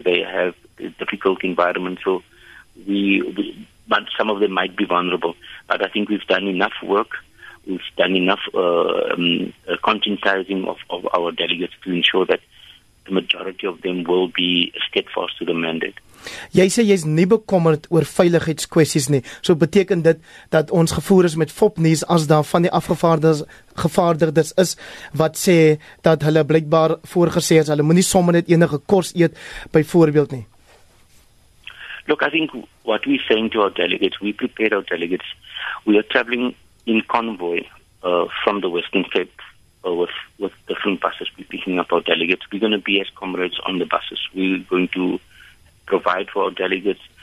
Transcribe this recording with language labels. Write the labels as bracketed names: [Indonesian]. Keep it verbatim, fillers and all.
[English] They have a difficult environment. So we, we, but some of them might be vulnerable. But I think we've done enough work. We've done enough uh, um, uh, conscientizing of, of our delegates to ensure that the majority of them will be steadfast to the mandate. [Afrikaans] Jy sê jy is nie bekommerd oor veiligheidskwessies nie, so beteken dit dat ons gevoer is met fopnuus as daar van die afgevaardigdes is wat sê dat hulle blykbaar voorgesê is, hulle moet nie sommer net enige kos eet, byvoorbeeld nie. [English] Look, I think what we're saying to our delegates, we prepared our delegates, we are traveling in convoy uh, from the Western Cape uh, with, with different buses. We're picking up our delegates. We're going to be as comrades on the buses. We're going to provide for our delegates.